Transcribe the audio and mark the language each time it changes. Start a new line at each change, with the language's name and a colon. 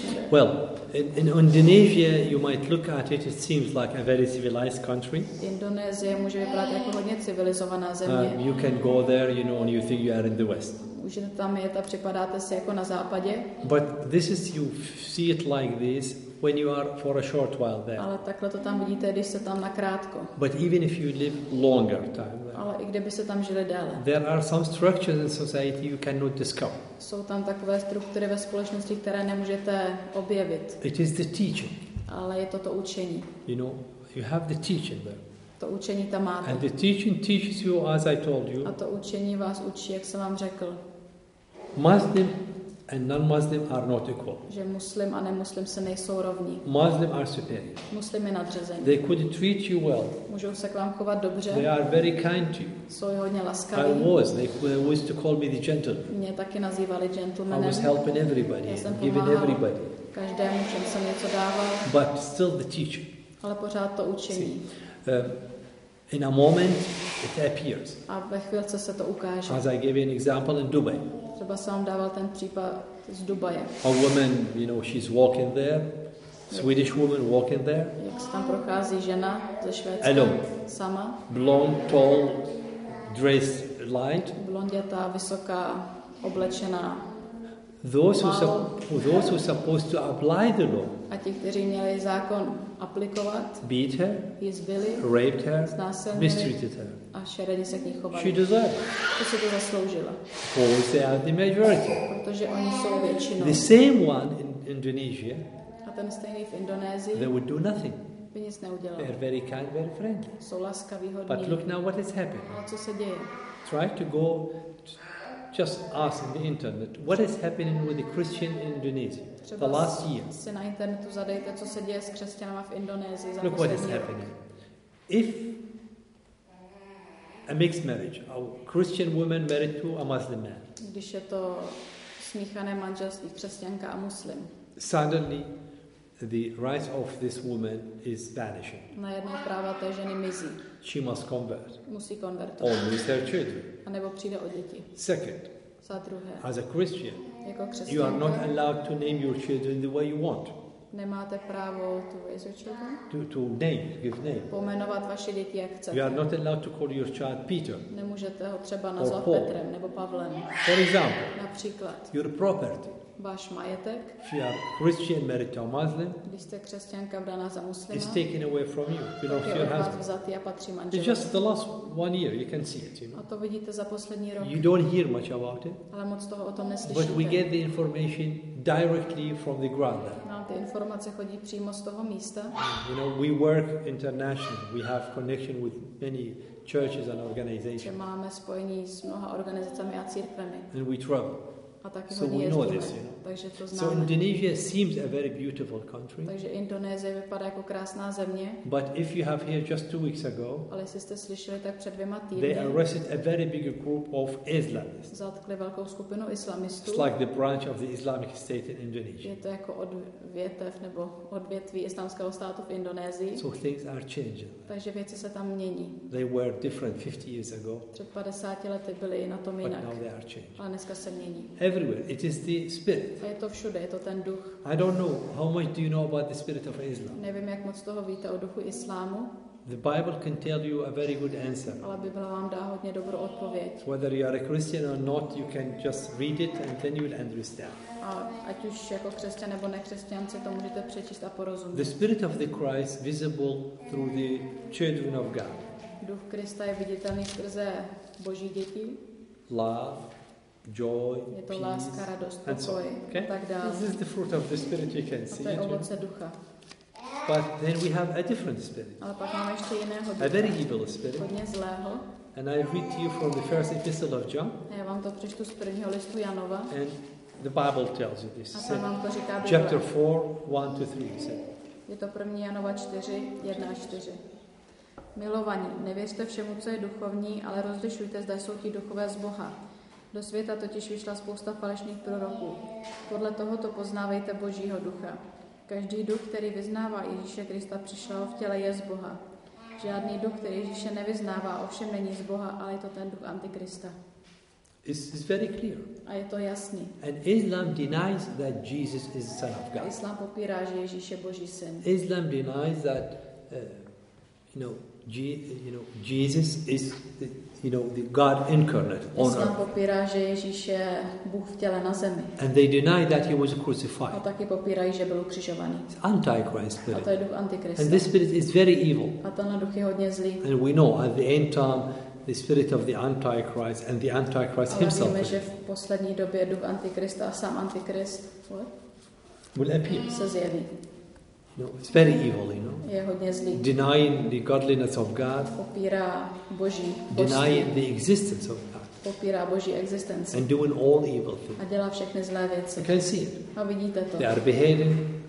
English: Well, in Indonesia, you might look at it. It seems like a very civilized country.
Czech: Indonesia může vypadat jako hodně civilizovaná země.
English: You can go there, you know, and you think you are in the West.
Czech: Můžete tam jet a připadáte si jako na západě.
English: But this is, you see it like this, when you are for a short while there.
Czech: Ale takhle to tam vidíte, když se tam na krátko.
English: But even if you live longer time there.
Czech: Ale i kdyby se tam žili déle.
English: There are some structures in society you cannot discover.
Czech: Jsou tam takové struktury ve společnosti, které nemůžete objevit.
English: It is the teaching.
Czech: Ale je to to učení.
English: You know, you have the teaching there.
Czech: To učení tam máte.
English: And the teaching teaches you, as I told you.
Czech: A to učení vás učí, jak jsem vám řekl.
English: Muslim and non-Muslim are not equal.
Czech: Že muslim a nemuslim se nejsou rovní.
English: Muslim are superior.
Czech: Muslim je nadřazený.
English: They could treat you well.
Czech: Můžou se k vám chovat dobře.
English: They are very kind to you.
Czech: Jsou hodně laskaví.
English: I was. They used to call me the gentleman.
Czech: Mě taky nazývali gentlemanem.
English: I was helping everybody.
Czech: Já jsem pomáhal.
English: Giving everybody.
Czech: Každému všem jsem něco dával.
English: But still the teaching.
Czech: Ale pořád to učení.
English: In a moment it appears.
Czech: A ve chvilce se to ukáže.
English: As I gave you an example in Dubai.
Czech: Třeba jsem vám dával ten případ z Dubaje.
English: A woman, you know, she's walking there. Swedish woman walking there.
Czech: Jak se tam prochází žena ze Švédska.
English: Hello.
Czech: Sama.
English: Blonde, tall, dressed light.
Czech: Blondětá, vysoká, oblečená.
English: Those who are supposed to apply the law.
Czech: A ti, kteří měli zákon aplikovat.
English: Beat her.
Czech: Ji zbyli.
English: Raped her.
Czech: Znásilnili.
English: Mistreated her.
Czech: A šeredně se k ní chovali.
English: She deserved.
Czech: To se to zasloužila.
English: Because they are the majority.
Czech: Protože oni jsou většinou.
English: The same one in Indonesia.
Czech: A ten stejný v Indonésii.
English: They would do nothing.
Czech: By nic neudělali.
English: They are very kind, very friendly.
Czech: Jsou laskaví, hodní.
English: But look now what has happened.
Czech: A co se děje?
English: Try to go. Just ask on the internet what is happening with the Christian in Indonesia the last year.
Czech: Se na internetu zadejte, co se děje s křesťanama v Indonésii za poslední rok.
English: Look what is happening. If a mixed marriage, a Christian woman married to a Muslim man.
Czech: Když je to smíchané manželství, křesťanka a muslim.
English: Suddenly, the rights of this woman is vanishing.
Czech: Najednou práva té ženy mizí.
English: She must convert.
Czech: Musí konvertovat.
English: Or lose her children.
Czech: A nebo přijde o děti.
English: Second.
Czech: Za druhé.
English: As a Christian,
Czech: jako křesťanka,
English: you are not allowed to name your children the way you want.
Czech: Nemáte právo
English: to raise your children. To name, give name.
Czech: Pomenovat vaše děti jak chcete.
English: You are not allowed to call your child Peter.
Czech: Nemůžete ho třeba nazvat Petrem nebo Pavlem.
English: For example.
Czech: Například.
English: Your property.
Czech: Váš majetek.
English: If you are Christian married to a Muslim.
Czech: Když jste křesťanka vdaná za muslima.
English: Is taken away from you. You know, your husband. It's just the last one year. You can see it. You know.
Czech: A to vidíte za poslední rok.
English: You don't hear much about it.
Czech: Ale moc toho o tom neslyšíte.
English: But we get the information directly from the ground there.
Czech: No, ty informace chodí přímo z toho místa.
English: You know, we work internationally. We have connection with many churches and organizations.
Czech: Že máme spojení s mnoha organizacemi a církvemi.
English: And we travel. So we
Czech: jezdíme.
English: Know this, you know.
Czech: Takže to
English: so Indonesia seems a very beautiful country.
Czech: Takže Indonésie vypadá jako krásná země.
English: But if you have heard just 2 weeks ago,
Czech: ale jestli jste slyšeli, tak před dvěma týdny,
English: they arrested a very big group of Islamists.
Czech: Zatkli velkou skupinu islamistů.
English: It's like the branch of the Islamic State in Indonesia.
Czech: Je to jako odvětev nebo odvětví islamského státu v Indonésii.
English: So things are changing.
Czech: Takže věci se tam mění.
English: They were different 50 years ago.
Czech: Před 50 lety byli na tom jinak.
English: But now they are changing.
Czech: Ale dneska se mění.
English: Everywhere it is the spirit.
Czech: A je to všude, je to ten duch.
English: I don't know how much do you know about the spirit of Islam.
Czech: Nevím, jak moc toho víte o duchu islámu.
English: The Bible can tell you a very good answer.
Czech: Ale Bible vám dá hodně dobrou odpověď.
English: Whether you are a Christian or not, you can just read it and then you will understand.
Czech: A ať už jako křesťan nebo nekřesťan, se to můžete přečíst a porozumět.
English: The spirit of the Christ visible through the children of God.
Czech: Duch Krista je viditelný skrze Boží děti.
English: Love. Joy,
Czech: je to láska, radost, pokoj,
English: so, okay?
Czech: Tak dále.
English: This is the fruit of the spirit you can see.
Czech: A to je ovoce ducha.
English: But then we have a different spirit.
Czech: Ale pak máme ještě jiného ducha.
English: A very evil spirit.
Czech: Hodně zlého.
English: And I read to you from the first epistle of John.
Czech: A já vám to přečtu z prvního listu Janova.
English: And the Bible tells you this.
Czech: A tam vám to říká Bible.
English: Chapter 4, 1 to 3.
Czech: Je to první Janova 4, 1 až 4. Milovaní, nevěřte všemu, co je duchovní, ale rozlišujte, zda jsou ti duchové z Boha. Do světa totiž vyšla spousta falešných proroků. Podle tohoto poznávejte Božího ducha. Každý duch, který vyznává Ježíše Krista přišel v těle, je z Boha. Žádný duch, který Ježíše nevyznává, ovšem není z Boha, ale je to ten duch Antikrista.
English: It's very clear.
Czech: A je to jasný.
English: And Islam denies that Jesus is son of God.
Czech: Islám popírá, že Ježíš je Boží syn.
English: Islam denies that you know, Jesus is you know, the God incarnate on earth.
Czech: Islám popírá, že Ježíš je Bůh v těle na zemi.
English: And they deny that he was crucified.
Czech: A taky popírají, že byl ukřižovaný.
English: It's Antichrist spirit.
Czech: A to je duch Antikrista.
English: And this spirit is very evil.
Czech: A ten duch je hodně zlý.
English: And we know at the end time the spirit of the Antichrist and the Antichrist
Czech: ale
English: himself.
Czech: Víme, že v poslední době duch Antikrista a sám Antikrist
English: will appear.
Czech: Se zjeví.
English: No, it's very evil, you know.
Czech: Je hodně zlý.
English: Denying the godliness of God.
Czech: Popírá Boží.
English: Denying the existence of God.
Czech: Popírá Boží existenci.
English: And doing all evil things.
Czech: A dělá všechny zlé věci.
English: You can see it.
Czech: A vidíte to.
English: They are beheading.